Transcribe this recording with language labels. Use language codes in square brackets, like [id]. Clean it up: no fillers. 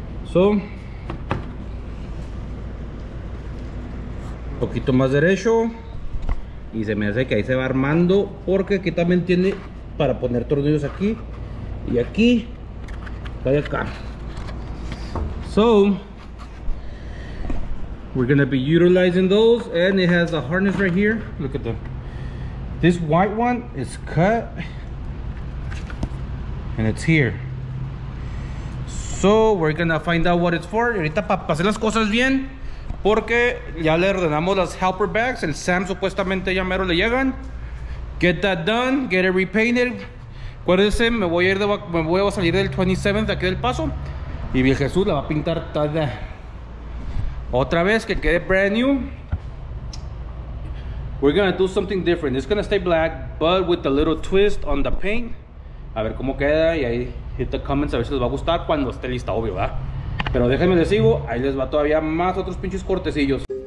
[es] So, un poquito más derecho y se me hace que ahí se va armando, porque aquí también tiene para poner tornillos aquí y aquí y acá. [en] So, we're gonna be utilizing those, and it has a harness right here. Look at them. This white one is cut and it's here. So we're gonna find out what it's for. [es] Ahorita para pasar las cosas bien, porque ya le ordenamos las helper bags. El Sam supuestamente ya mero le llegan. [en] Get that done, get it repainted. [es] Acuérdense, me voy a salir del 27th de aquí del paso. Y Vil Jesús la va a pintar toda. Otra vez que quede brand new. [en] We're gonna do something different. It's gonna stay black, but with a little twist on the paint. [es] A ver cómo queda y ahí [en] hit the comments [es] a ver si les va a gustar cuando esté lista, obvio, ¿verdad? Pero déjenme les digo, ahí les va todavía más otros pinches cortecillos.